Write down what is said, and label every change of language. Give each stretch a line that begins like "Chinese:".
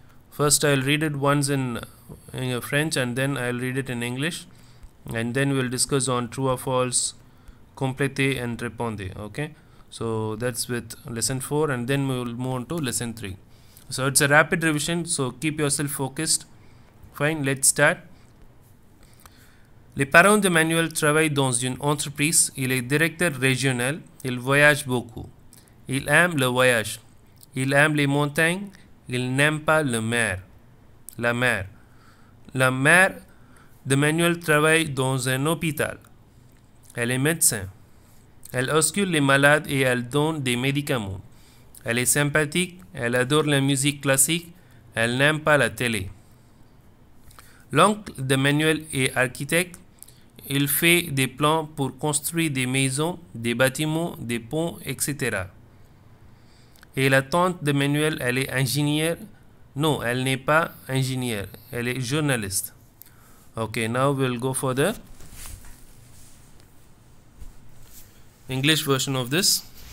English: First I'll read it once in French, and then I'll read it in English, and then we'll discuss on true or false, compléter and répondre, okay. So that's with lesson 4, and then we'll move on to lesson 3. So it's a rapid revision, so keep yourself focused, fine. Let's start.
French: Les Parents de Manuel travaillent dans une entreprise. Il est directeur régional. Il voyage beaucoup. Il aime le voyage. Il aime les montagnes. Il n'aime pas le mer. La mer. La mère de Manuel travaille dans un hôpital. Elle est médecin. Elle auscule les malades et elle donne des médicaments. Elle est sympathique. Elle adore la musique classique. Elle n'aime pas la télé. L'oncle de Manuel est architecte. Il fait des plans pour construire des maisons, des bâtiments, des ponts, etc. Et la tante de Manuel, elle est ingénieure. Non, elle n'est pas ingénieure. Elle est journaliste.
English: Okay, now we'll go for the English version of this.